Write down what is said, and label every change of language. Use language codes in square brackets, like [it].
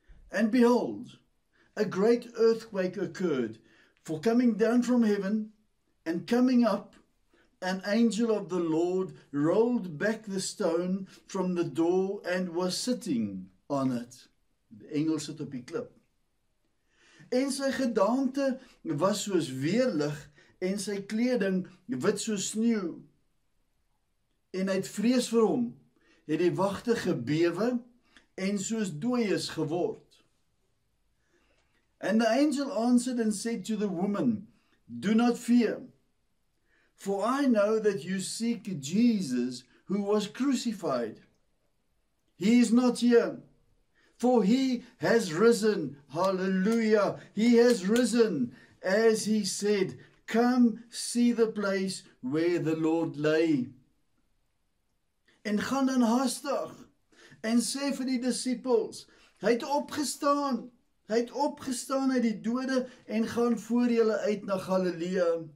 [en] And behold, a great earthquake occurred, for coming down from heaven and coming up, an angel of the Lord rolled back the stone from the door and was sitting on it. [af] The engel sit op die klip. En sy gedaante was soos weerlig en sy kleding wit soos sneeu. En uit vrees vir hom het die wagte gebewe en soos dooies geword. [en] And the angel answered and said to the woman, "Do not fear, for I know that you seek Jesus who was crucified. He is not here. For he has risen, hallelujah, he has risen, as he said, come see the place where the Lord lay. [af] En gaan in haastig, en sê vir die disciples, hy het opgestaan uit die dode, en gaan voor julle uit na Galilea.